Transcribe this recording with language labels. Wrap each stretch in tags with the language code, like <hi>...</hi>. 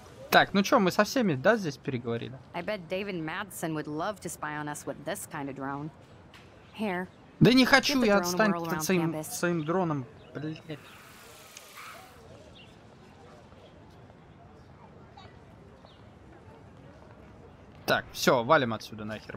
<ru>Так, ну чё, мы со всеми, да, здесь переговорили?</ru> <en>I bet David Madsen would love to spy on us with this kind of drone. Here.</en> <ru>Да не хочу я отстать от своим дроном, блядь. Так, всё, валим отсюда нахер.</ru>